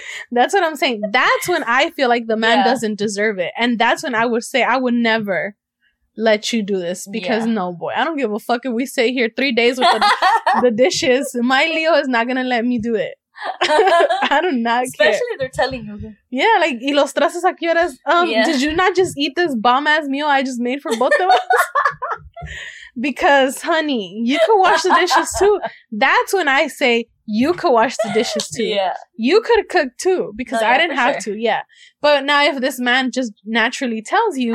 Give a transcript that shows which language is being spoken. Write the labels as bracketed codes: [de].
[en] That's what I'm saying. That's when I feel like the man doesn't deserve it. And that's when I would say I would never let you do this. Because no, boy, I don't give a fuck if we stay here 3 days with the dishes. My Leo is not going to let me do it. I do not care. Especially if they're telling you. Yeah, like, [es] ¿y los trastes a qué horas? [en] Did you not just eat this bomb-ass meal I just made for both of us? Because, honey, you could wash the dishes too. That's when I say, you could wash the dishes too. Yeah. You could cook too, because no, yeah, I didn't have to. Yeah. But now if this man just naturally tells you.